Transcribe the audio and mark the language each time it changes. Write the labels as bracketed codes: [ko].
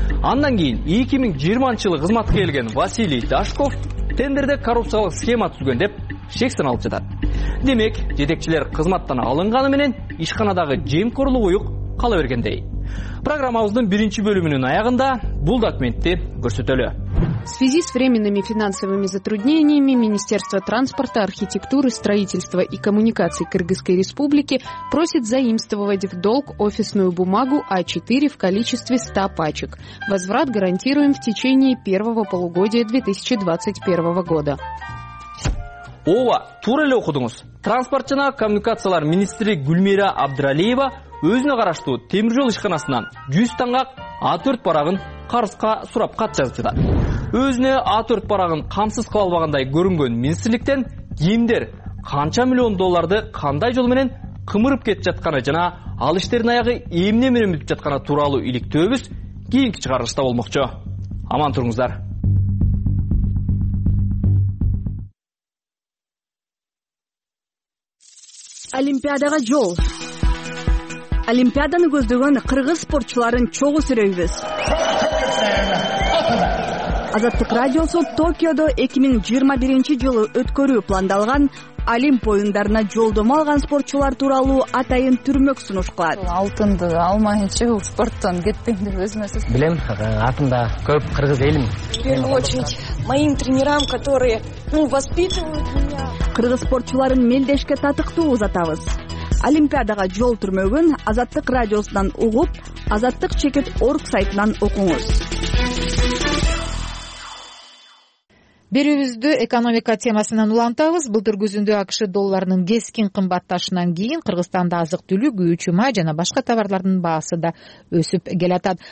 [ky] Андан кийин 2020 жылы кызматка келген Василий Дашков тендерде коррупциялык схема түзгөн деп шектен алып жатат. Демек, жетекчилер кызматтан алынганы менен ишканадагы жемкорлук уюк кала бергендей. Программабыздын биринчи бөлүмүнүн аягында бул документти көрсөтөлү. [ru] В связи с временными финансовыми затруднениями Министерство транспорта, архитектуры, строительства и коммуникаций Кыргызской Республики просит заимствовать в долг офисную бумагу А4 в количестве 100 пачек. Возврат гарантируем в течение первого полугодия 2021 года. [ky] Ова, туура эле окудуңуз. Транспорт жана коммуникациялар министри Гүлмира Абдыралиева өзүнө караштуу темир жол ишканасынан 100 таңгак А4 парагын карызга сурап кат жазып жатат. Өзүнө А4 парагын камсыз кыла албагандай көрүнгөн министрликтен кимдер канча миллион долларды кандай жол менен кымырып кетип жатканы жана ал иштердин аягы эмне менен бүтүп жатканы тууралуу иликтөөбүз кийинки чыгарылышта болмокчу. Аман туруңуздар. Олимпиадага жол. Олимпиаданы көздөгөн кыргыз спортчуларын чогуу сүрөйбүз. Азаттык радиосу Токиодо 2021 жылы өткөрүү пландалган Олимп оюндарына жолдомо алган спортчулар тууралуу атайын түрмөк сунуш кылат. Алтынды алмайынча спорттон кетпейм деп өзүмө сөз. Билем, артымда көп кыргыз элим. [ru] В первую очередь моим тренерам, которые воспитывают меня. [ky] Кыргыз спортчуларын мелдешке татыктуу узатабыз. Олимпиадага жол түрмөгүн Азаттык радиосунан угуп, azattik.org сайтынан окуңуз. Берүүбүздү экономика темасынан улантабыз. Былтыр күзүндө АКШ долларынын кескин кымбатташынан кийин Кыргызстанда азык түлүк, күйүүчү май жана башка товарлардын баасы да өсүп келатат.